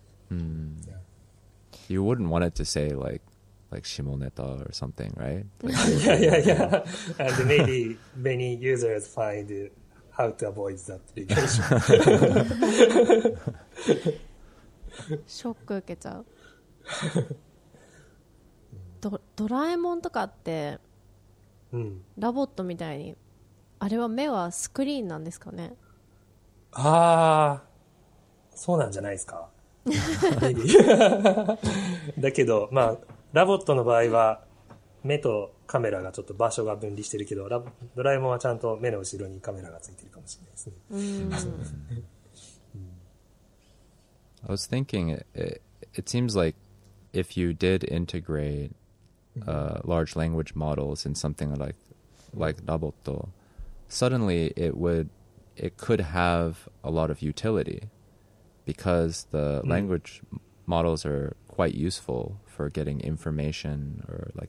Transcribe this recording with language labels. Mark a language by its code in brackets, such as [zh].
[en] Yeah. You wouldn't want it to say like 下ネタ or something, right? Yeah. And maybe many users find how to avoid that regulation. [ja] ショック受けちゃう。ドラえもんとかって、ラボットみたいにあれは目はスクリーンなんですかね。ああ、そうなんじゃないですか。だけど、まあ、ラボットの場合は目とカメラがちょっと場所が分離してるけど、ドラえもんはちゃんと目の後ろにカメラがついてるかもしれないですね。 [en] I was thinking it seems likeIf you did integrate large language models in something like Roboto, suddenly it could have a lot of utility because the language models are quite useful for getting information or like...